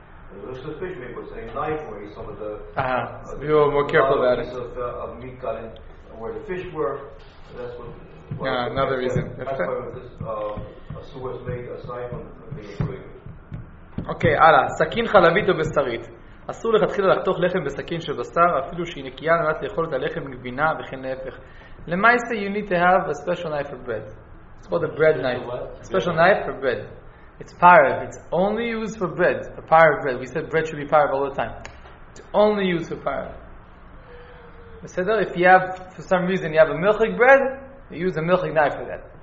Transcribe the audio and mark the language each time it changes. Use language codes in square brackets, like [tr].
[en] There was a fish maker saying knife where some of the... We were more careful about it. Of meat got in where the fish were. That's what... Yeah, another reason. That's why this was made aside from the thing of bagel. [he] Okay, ala. Sakin chalavit o bestarit. אסור להתחיל לחתוך לחם בסכין של בשר, אפילו שהיא נקייה על מנת לאכול את הלחם מגבינה וכן להפך. [en] למעשה, you need to have a special knife for bread. It's called a bread knife. A special knife for bread. It's parve. It's only used for bread. A parve bread. We said bread should be parve all the time. It's only used for parve. If you have, for some reason, you have a milchig bread, you use a milchig knife for that.